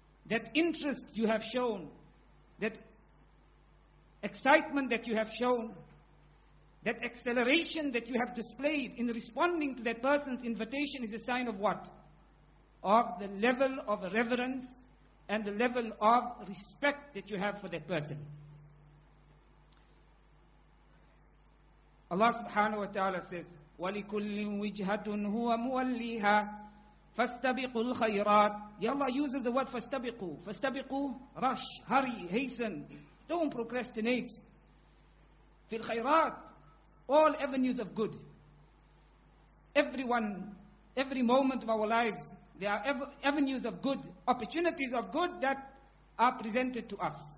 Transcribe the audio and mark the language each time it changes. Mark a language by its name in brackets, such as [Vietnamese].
[English] That interest you have shown, that excitement that you have shown, that acceleration that you have displayed in responding to that person's invitation is a sign of what? Of the level of reverence and the level of respect that you have for that person. Allah subhanahu wa ta'ala says, [Arabic] وَلِكُلِّ وِجْهَةٌ هُوَ مُوَلِّيهَا فَاسْتَبِقُوا الْخَيْرَاتِ. [English] Ya Allah uses the word فَاسْتَبِقُوا. فَاسْتَبِقُوا, rush, hurry, hasten. Don't procrastinate. [Arabic] فِي الْخَيْرَاتِ, [English] all avenues of good. Everyone, every moment of our lives, there are avenues of good, opportunities of good that are presented to us.